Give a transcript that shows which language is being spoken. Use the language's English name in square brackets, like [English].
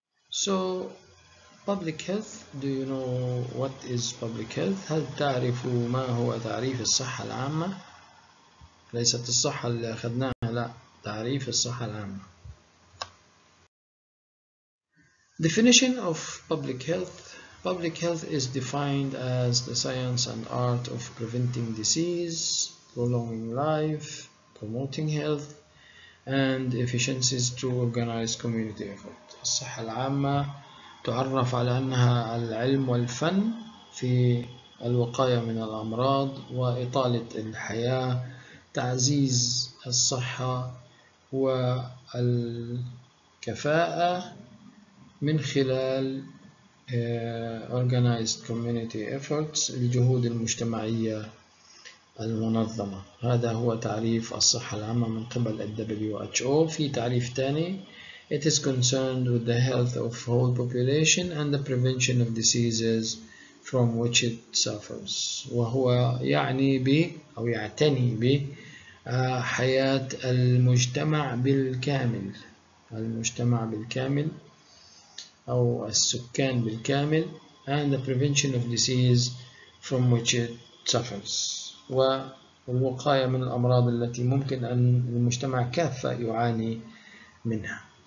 [English] So public health, do you know what is public health? [Arabic] هل تعرف ما هو تعريف الصحة العامة؟ ليست الصحة اللي أخذناها، لا، تعريف الصحة العامة. [English] Definition of public health. Public health is defined as the science and art of preventing disease, prolonging life, promoting health, and efficiencies through organized community effort. [Arabic] الصحة العامة تعرف على أنها العلم والفن في الوقاية من الأمراض وإطالة الحياة، تعزيز الصحة والكفاءة من خلال [English] organized community efforts، [Arabic] الجهود المجتمعية المنظمة. هذا هو تعريف الصحة العامة من قبل الـ WHO. في تعريف ثاني: [English] It is concerned with the health of whole population and the prevention of diseases from which it suffers. [Arabic] وهو يعني ب أو يعتني ب حياة المجتمع بالكامل، المجتمع بالكامل أو السكان بالكامل، [English] and the prevention of disease from which it suffers، [Arabic] والوقاية من الأمراض التي ممكن أن المجتمع كافة يعاني منها.